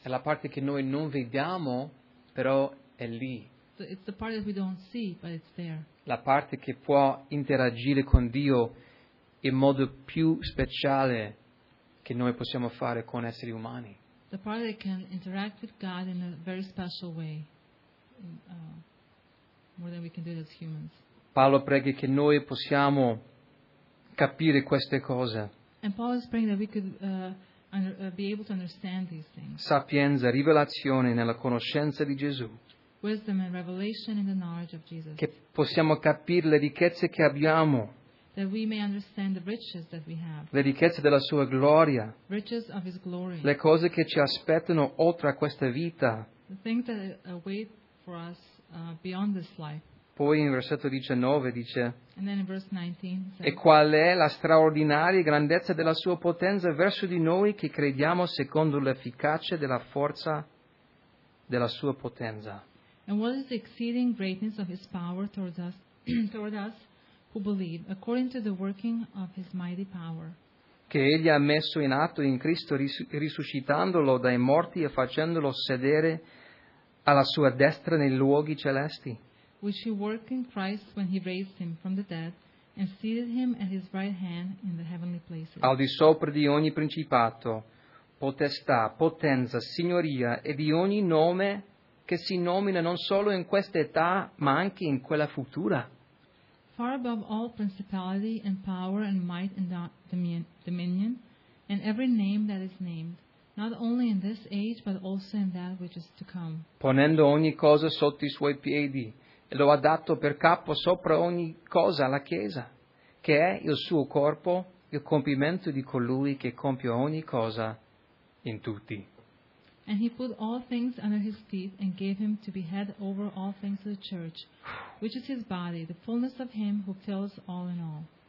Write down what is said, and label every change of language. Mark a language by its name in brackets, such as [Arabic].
[Italian] È la parte che noi non vediamo, però è lì. [English] It's the part that we don't see, but it's there. [Italian] La parte che può interagire con Dio in modo più speciale che noi possiamo fare con esseri umani. [English] The part that can interact with God in a very special way, more than we can do as humans. [Italian] Paolo prega che noi possiamo capire queste cose. [English] And Paul is praying that we could be able to understand these things. [Italian] Sapienza, rivelazione nella conoscenza di Gesù. [English] Wisdom and revelation in the knowledge of Jesus. [Italian] Che possiamo capire le ricchezze che abbiamo. [English] That we may understand the riches that we have. [Italian] Le ricchezze della sua gloria. [English] Riches of his glory. [Italian] Le cose che ci aspettano oltre a questa vita. [English] The things that await for us beyond this life. [Italian] Poi in versetto 19 dice. [English] And then in verse 19. [Italian] E qual è la straordinaria grandezza della sua potenza verso di noi che crediamo secondo l'efficacia della forza della sua potenza. [English] And what is the exceeding greatness of his power towards us? Toward us? Who believe according to the working of his mighty power. [Italian] Che egli ha messo in atto in Cristo risuscitandolo dai morti e facendolo sedere alla sua destra nei luoghi celesti. [English] Which he worked in Christ when he raised him from the dead and seated him at his right hand in the heavenly places. [Italian] Al di sopra di ogni principato, potestà, potenza, signoria e di ogni nome che si nomina non solo in questa età ma anche in quella futura. [English] Far above all principality and power and might and dominion and every name that is named, not only in this age but also in that which is to come. [Italian] Ponendo ogni cosa sotto i suoi piedi e lo ha dato per capo sopra ogni cosa alla Chiesa, che è il suo corpo, il compimento di colui che compie ogni cosa in tutti. [English] And he put all things under his feet and gave him to be head over all things to the church, which is his body, the fullness of him who fills all in all.